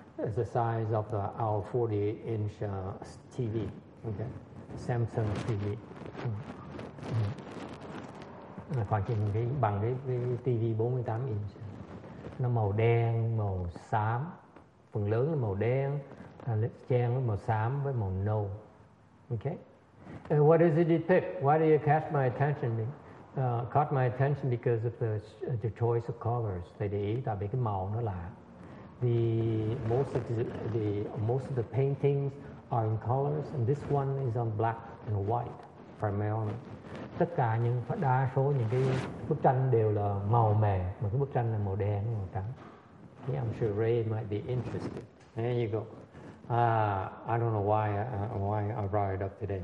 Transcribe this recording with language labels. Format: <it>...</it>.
<en>is the size of the, our 48-inch TV, okay? Samsung TV.</en> <vi>Khoảng trên cái bằng cái TV 48 inch. Nó màu đen, màu xám. Phần lớn là màu đen, trang là màu xám với màu nâu.</vi> <en>Okay? And what does it depict? Why do you catch my attention? Caught my attention because of the choice of colors.</en> <vi>Tại để ý tại vì cái màu nó lạ.</vi> <en>The most of the paintings are in colors, and this one is on black and white primarily.</en> <vi>Tất cả những đa số những cái bức tranh đều là màu mè, mà cái bức tranh là màu đen màu trắng.</vi> <en>Yeah, I'm sure Ray might be interested. There you go. I don't know why I brought it up today.</en>